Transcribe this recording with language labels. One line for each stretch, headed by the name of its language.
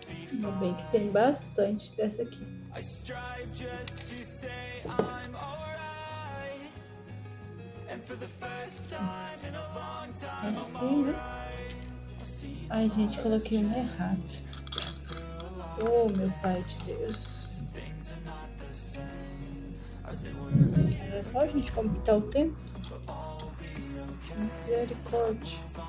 Portuguese: Ainda bem que tem bastante dessa aqui.
English: I strive just to say I'm alright. And for the first time in a long time, I'm alright.
Portuguese: Ai, gente, coloquei uma errada. Oh, meu pai de Deus. Era só a gente como que tá o tempo? Misericórdia.